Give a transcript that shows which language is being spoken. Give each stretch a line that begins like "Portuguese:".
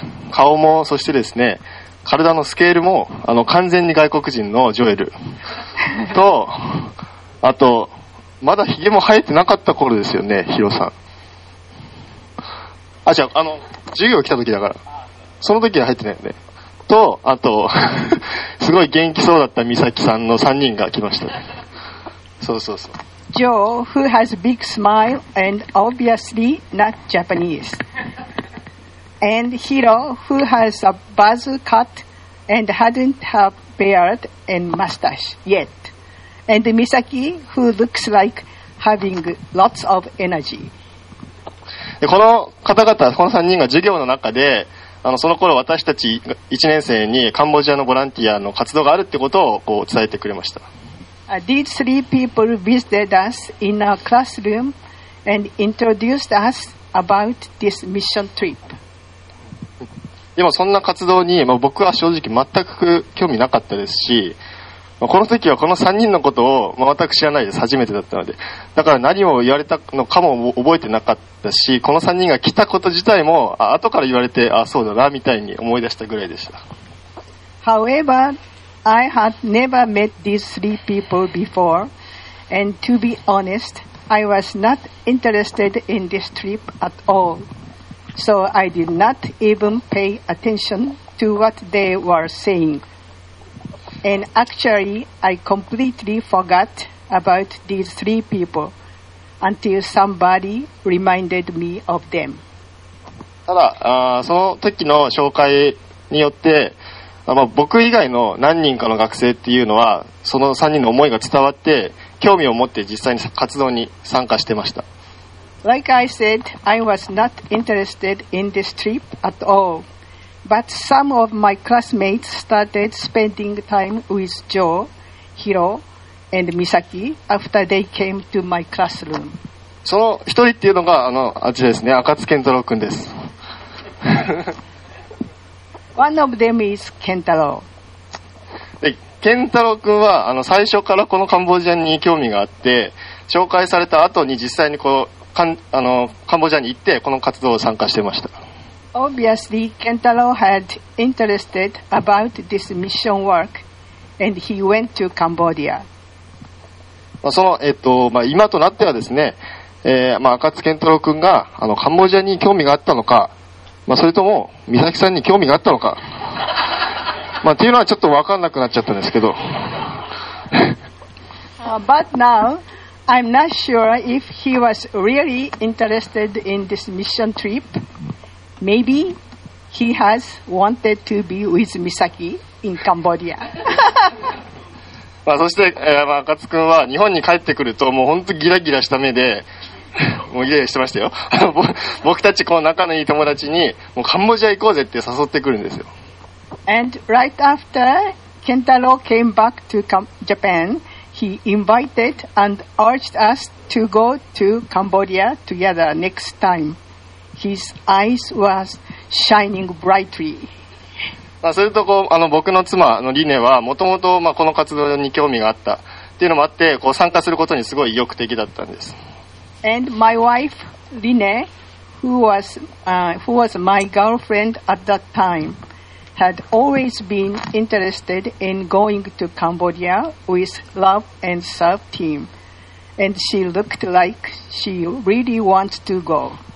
Japanese: 顔も、そしてですね、体のスケールも、完全に外国人のジョエルと、あと、まだヒゲも生えてなかった頃ですよね、ヒロさん。あ、じゃあ、授業来た時だから。その時は入ってないよね。と、あと、すごい元気そうだったミサキさんの3人が来ました。そうそうそう。
English: Joe, who has big smile and obviously not Japanese. And Hiro, who has a buzz cut and hadn't a beard and mustache yet. And Misaki, who looks like having lots of energy.
Japanese: この方々、この3人が授業の中で、その頃私たち1年生にカンボジアのボランティアの活動があるってことをこう伝えてくれました。
English: These three people visited us in our classroom and introduced us about this mission trip.
Japanese: でもそんな活動に、僕は正直全く興味なかったですし、この時はこの3人のことを、全く知らないです。初めてだったので。だから何を言われたのかも覚えてなかったし、この3人が来たこと自体も、後から言われて、あ、そうだな、みたいに思い出したぐらいでした。
English: However, I had never met these three people before, and to be honest, I was not interested in this trip at all. So I did not even pay attention to what they were saying. And actually, I completely forgot about these three people until somebody reminded me of them.
Japanese: ただ、その時の紹介によって、僕以外の何人かの学生っていうのは、その3人の思いが伝わって、興味を持って実際に活動に参加してました。
English: Like I said, I was not interested in this trip at all. But some of my classmates started spending time with Joe, Hiro, and Misaki after they came to my classroom.
Japanese: その一人っていうのが、あちらですね、赤津健太郎くんです。
English: One of them is 健太郎。
Japanese: 健太郎くんは、最初からこのカンボジアに興味があって、紹介された後に実際にカンボジアに行って、この活動を参加してました。
English: Obviously, Kentaro had interested about this mission work, and he went to Cambodia.
Japanese: その、今となってはですね、赤津健太郎くんが、カンボジアに興味があったのか、それとも、美咲さんに興味があったのか、っていうのはちょっとわかんなくなっちゃったんですけど。
English: But now, I'm not sure if he was really interested in this mission trip. Maybe he has wanted to be with Misaki in Cambodia.
Japanese: そして、赤津くんは日本に帰ってくると、もう本当ギラギラした目で、もうギラギラしてましたよ。僕たちこの仲のいい友達に、もうカンボジア行こうぜって誘ってくるんですよ。
English: And right after Kentaro came back to Japan, he invited and urged us to go to Cambodia together next time. His eyes was shining brightly.
Japanese: それとこう僕の妻のリネはもともとこの活動に興味があったっていうのもあってこう参加することにすごい意欲的だったんです。
English: And my wife, Rine, who was my girlfriend at that time, had always been interested in going to Cambodia with love and serve team. And she looked like she really wants to go.